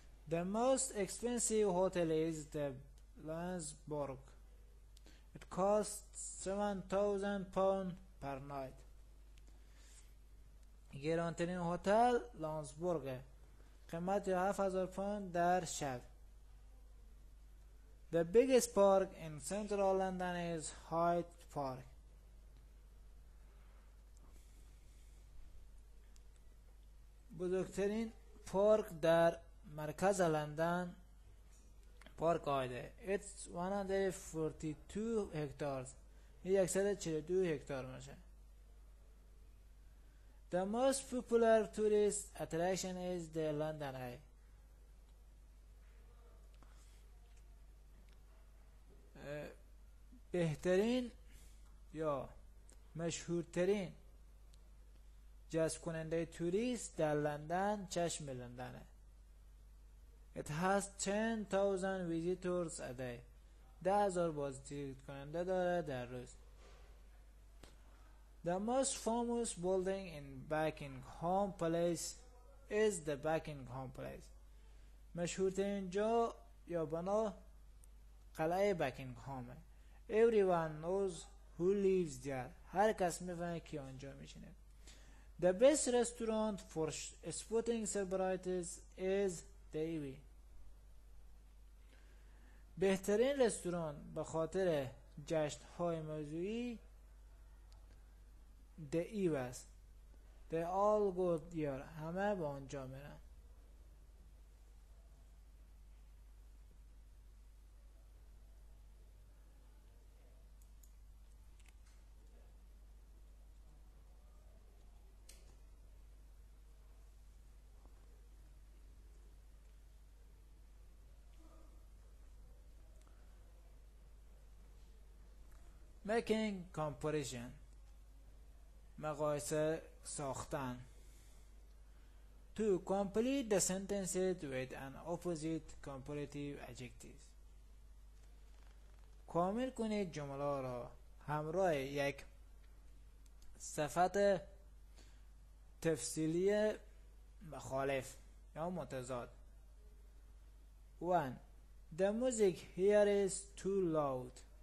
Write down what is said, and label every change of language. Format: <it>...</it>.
<en>The most expensive hotel is the Lansborg. It costs 7,000 pound per night.</en> <fa>گرانترین هتل لانسبورگه. قیمت 7000 پوند در شب.</fa> <en>The biggest park in central London is Hyde Park.</en> <fa>بزرگترین پارک در مرکز لندن پارک هایده.</fa> <en>It's 142 hectares.</en> <fa>142 هکتار میشه.</fa> <en>The most popular tourist attraction is the London Eye.</en> <fa>بهترین یا مشهورترین جذب کننده توریست در لندن چشم لندنه.</fa> <en>It has 10,000 visitors a day.</en> <fa>10,000 بازدید کننده داره در روز.</fa> <en>The most famous building in Buckingham Palace is the Buckingham Palace.</en> <fa>مشهورترین جا یا بنا قلعه بکینگهام.</fa> <en>Everyone knows who lives there.</en> <fa>هر کس میفهمه کی آنجا میشینه.</fa> <en>The best restaurant for sporting celebrities is the Ivy.</en> <fa>بهترین رستوران به خاطر جشن های موضوعی</fa> <en>The Eve is. They all go here.</en> <fa>همه با آنجا میرن.</fa> <en>Making comparison.</en> <fa>مقایسه ساختن.</fa> <en>To complete the sentence with an opposite comparative adjective.</en> <fa>کامل کنید جمله را همراه یک صفت تفصیلی مخالف یا متضاد.</fa> <en>One, the music here is too loud.</en>